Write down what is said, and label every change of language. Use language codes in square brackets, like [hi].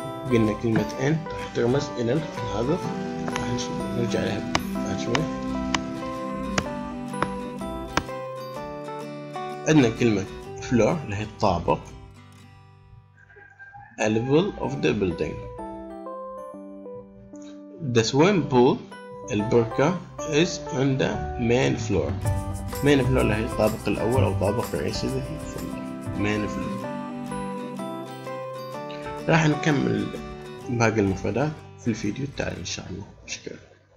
[ar] قلنا كلمة n راح ترمز الى هذا، راح نرجع لها بعد شوي. عندنا كلمة floor اللي هي الطابق، [en] a level of the building. The swimming pool [ar] البركة [en] is on the main floor. [ar] main floor اللي هي الطابق الأول أو الطابق الرئيسي في main floor. راح نكمل باقي المفردات في الفيديو التالي إن شاء الله. شكرا.